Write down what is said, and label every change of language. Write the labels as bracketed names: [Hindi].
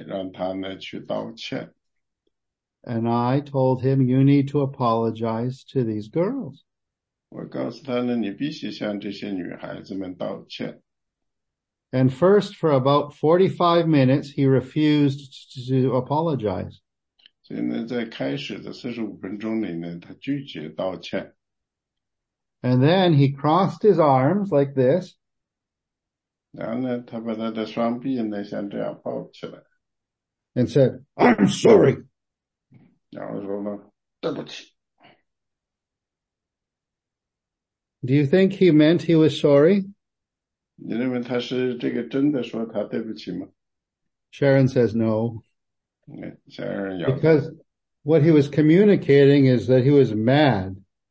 [Chinese] 我必须呢把他叫过来，让他呢去道歉。 [English] And I told him, you need to apologize to these girls. [Chinese] 我告诉他呢，你必须向这些女孩子们道歉。 [English] And first, for about 45 minutes, he refused to apologize. [Chinese] 所以呢，在开始的45分钟里呢，他拒绝道歉。 [English] And then he crossed his arms like this. [Chinese] 然后呢，他把他的双臂呢，像这样抱起来。 [English] And said, I'm sorry. [Chinese] 然后说呢，对不起。 [English] Do you think he meant he was sorry? [Chinese] 你认为他是这个真的说他对不起吗？ [English] Sharon says no. [Chinese] Sharon 摇头。 [English] Because what he was communicating is that he was mad.